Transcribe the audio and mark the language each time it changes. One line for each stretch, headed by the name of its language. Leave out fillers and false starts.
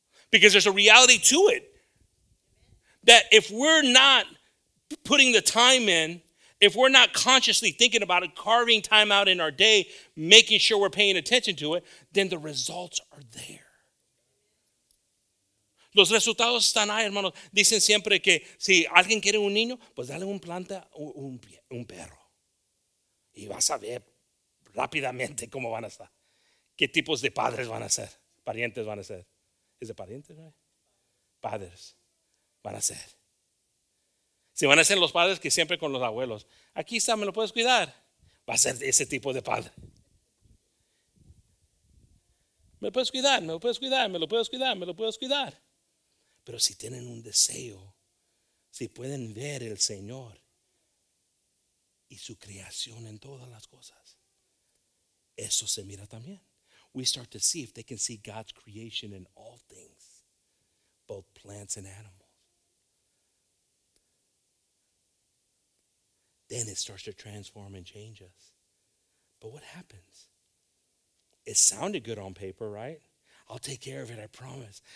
English: Because there's a reality to it, that if we're not putting the time in, if we're not consciously thinking about it, carving time out in our day, making sure we're paying attention to it, then the results are there.
Spanish: Los resultados están ahí, hermanos. Dicen siempre que si alguien quiere un niño, pues dale un planta, un perro. Y vas a ver rápidamente cómo van a estar. Qué tipos de padres van a ser, parientes van a ser. Es de parientes, ¿no? Padres van a ser. Si van a ser los padres que siempre con los abuelos. Aquí está, ¿me lo puedes cuidar? Va a ser ese tipo de padre. ¿Me lo puedes cuidar? ¿Me lo puedes cuidar? ¿Me lo puedes cuidar? ¿Me lo puedes cuidar? Pero si tienen un deseo, si pueden ver el Señor y su creación en todas las cosas, eso se mira también.
English: We start to see if they can see God's creation in all things, both plants and animals. Then it starts to transform and change us. But what happens? It sounded good on paper, right? I'll take care of it, I promise.